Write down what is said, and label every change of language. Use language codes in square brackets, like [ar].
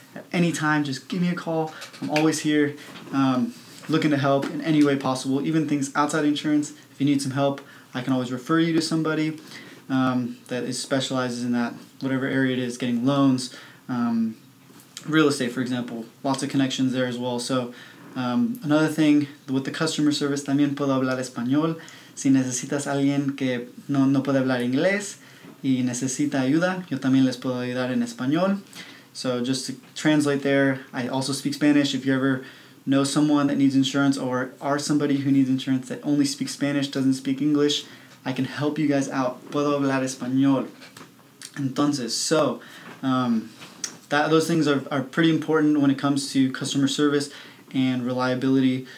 [en] At any time, just give me a call. I'm always here, looking to help in any way possible, even things outside insurance. If you need some help, I can always refer you to somebody that specializes in that, whatever area it is, getting loans, real estate, for example, lots of connections there as well. So, another thing with the customer service, [es] también puedo hablar español. Si necesitas alguien que no puede hablar inglés y necesita ayuda, yo también les puedo ayudar en español. [en] So just to translate there, I also speak Spanish. If you ever know someone that needs insurance or are somebody who needs insurance that only speaks Spanish, doesn't speak English, I can help you guys out. [es] Puedo hablar español. Entonces, [en] so those things are pretty important when it comes to customer service and reliability.